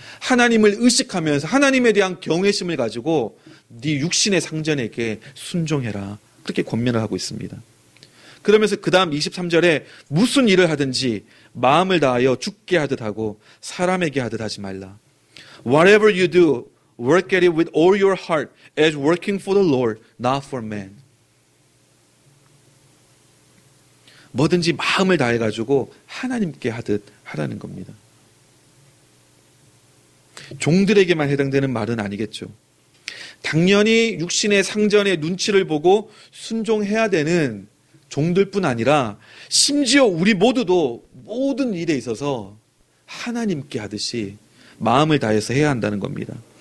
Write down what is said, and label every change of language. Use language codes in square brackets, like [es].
[ko] 하나님을 의식하면서 하나님에 대한 경외심을 가지고 네 육신의 상전에게 순종해라. 그렇게 권면을 하고 있습니다. 그러면서 그 다음 23절에 무슨 일을 하든지 마음을 다하여 주께 하듯 하고 사람에게 하듯 하지 말라. [en] Whatever you do, work at it with all your heart as working for the Lord, not for man. [ko] 뭐든지 마음을 다해가지고 하나님께 하듯 하라는 겁니다. 종들에게만 해당되는 말은 아니겠죠. 당연히 육신의 상전의 눈치를 보고 순종해야 되는 종들뿐 아니라 심지어 우리 모두도 모든 일에 있어서 하나님께 하듯이 마음을 다해서 해야 한다는 겁니다.